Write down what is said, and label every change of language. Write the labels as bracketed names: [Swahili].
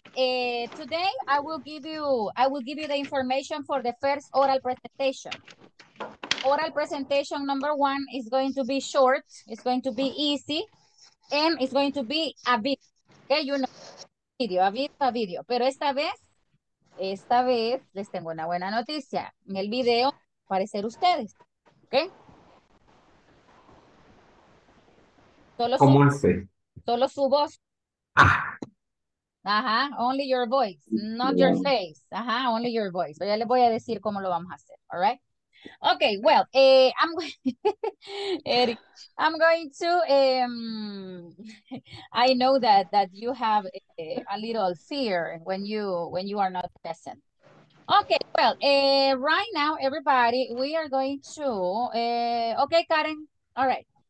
[English] Today I will give you the information for the first oral presentation. Oral presentation number one is going to be short, it's going to be easy, and it's going to be a video. Okay, you know, a video. [Spanish] Pero esta vez les tengo una buena noticia. En el video van a aparecer ustedes. Okay. Solo su ¿Cómo hace? [English] voz. Ajá, only your voice, not your face. Ajá, only your voice. [Spanish] Pero ya les voy a decir cómo lo vamos a hacer. [English] All right. Okay, well, Eric, I know that you have a little fear when you are not present. Okay, well, right now, everybody, we are going to okay, Karen. All right.